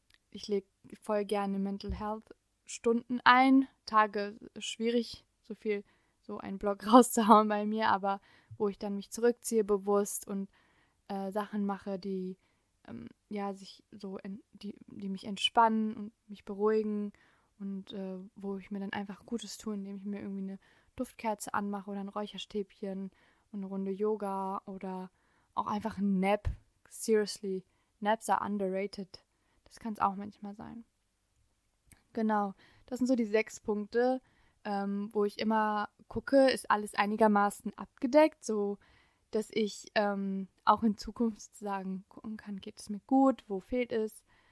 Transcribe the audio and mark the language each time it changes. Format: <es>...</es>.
<de>Ich lege voll gerne Mental Health Stunden ein, Tage schwierig, so einen Blog rauszuhauen bei mir, aber wo ich dann mich zurückziehe bewusst und Sachen mache, die mich entspannen und mich beruhigen. Und wo ich mir dann einfach Gutes tue, indem ich mir irgendwie eine Duftkerze anmache oder ein Räucherstäbchen und eine Runde Yoga oder auch einfach ein Nap.</de> <en>Seriously, Naps are underrated.</en> <de>Das kann es auch manchmal sein. Genau, das sind so die 6 Punkte, wo ich immer gucke, ist alles einigermaßen abgedeckt, so dass ich auch in Zukunft sozusagen gucken kann, geht es mir gut, wo fehlt es?</de>